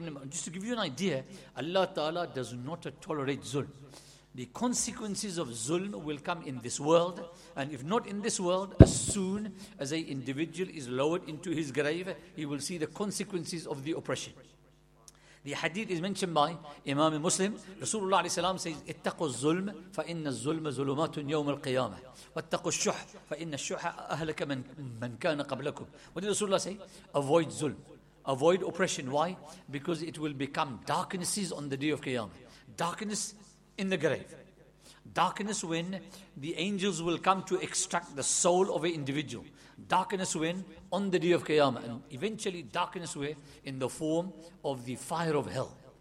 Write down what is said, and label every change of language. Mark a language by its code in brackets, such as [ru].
[en] Just to give you an idea, Allah Ta'ala does not tolerate zulm. The consequences of zulm will come in this world, and if not in this world, as soon as an individual is lowered into his grave, he will see the consequences of the oppression. The hadith is mentioned by Imam Muslim. [ar] Rasulullah alayhi salam says, اتقوا الظلم فإن الظلم ظلمات يوم القيامة واتقوا الشح فإن الشح أهلك من كان قبلكم. [en] What did Rasulullah say? Avoid zulm. Avoid oppression. Why? Because it will become darknesses on the day of Qiyamah. Darkness in the grave. Darkness when the angels will come to extract the soul of an individual. Darkness when on the day of Qiyamah. And eventually darkness where in the form of the fire of hell.